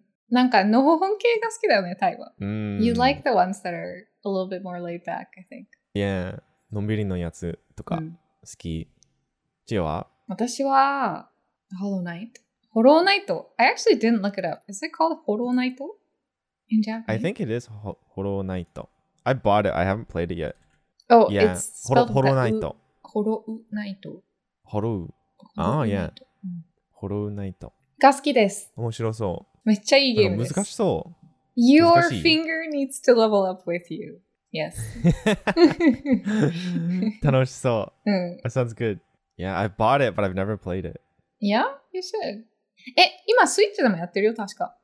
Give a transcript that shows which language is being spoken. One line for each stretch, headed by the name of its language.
Japanese: なんか、のほほん系が好きだよね、タイは。うん。
English: You like the ones that are a little bit more laid back, I think. Yeah.
Japanese: のんびりのやつとか好き。チ、う、ア、ん、は私は、Hollow Knight。Hollow Knight。
English: I actually didn't look it up. Is it called Hollow Knight? In Japanese? I think it is Hollow Knight. I bought it. I haven't played it yet. Oh, yeah. It's spelled Hollow Knight. Hollow Knight. Hollow. Ah, yeah. Hollow Knight.
Japanese: が好きです。面白そう。めっちゃいいゲームです。難しそう。
English: Your finger needs to level up with you. Yes.
Japanese: 楽しそう。うん。
English: That sounds good. Yeah, I bought it, but I've never played it. Yeah, you should.
Japanese: え、今スイッチでもやってるよ、確か。